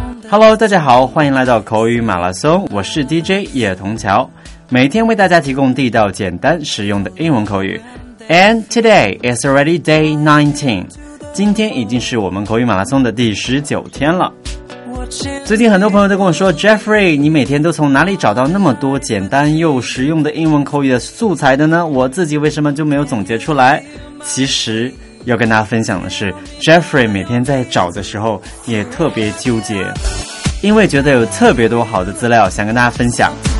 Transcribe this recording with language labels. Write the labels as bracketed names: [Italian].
[English] Hello, [Chinese] 大家好，欢迎来到口语马拉松。我是 DJ 叶童桥，每天为大家提供地道、简单、实用的英文口语。 [English] And today is already day 19. [Chinese] 今天已经是我们口语马拉松的第19天了。最近很多朋友都跟我说 Jeffrey, 你每天都从哪里找到那么多简单又实用的英文口语的素材的呢？我自己为什么就没有总结出来？其实要跟大家分享的是 Jeffrey 每天在找的时候也特别纠结，因为觉得有特别多好的资料想跟大家分享。